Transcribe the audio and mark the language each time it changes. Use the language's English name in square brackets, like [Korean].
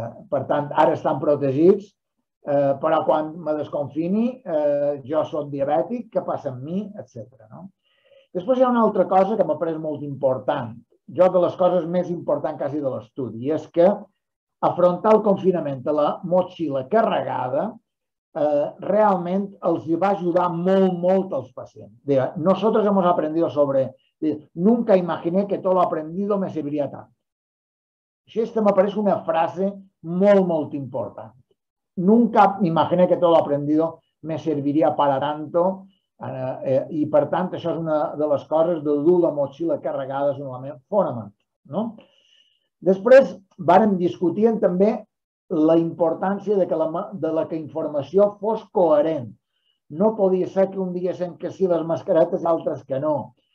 [Catalan] Per tant, ara estan protegits, però quan me desconfini, jo soc diabètic, què passa amb mi, etc. No? Després hi ha una altra cosa que m'ha pres molt important. Jo, de les coses més importants quasi de l'estudi, és que afrontar el confinament de la motxilla carregada realment els va ajudar molt, molt als pacients. [Spanish] Deia, nosotros hemos aprendido sobre... Nunca imaginé que todo lo aprendido me serviría tanto. [Catalan] Això este m'apareix una frase molt, molt important. [Spanish] Nunca imaginé que todo lo aprendido me serviría para tanto. [Catalan] I, per tant, això és una de les coses de dur la motxilla carregada és un element fonamental. No? Després, vàrem discutir també la importància de que la informació fos coherent. No podia ser que un diguéssim que sí les mascaretes i altres que no.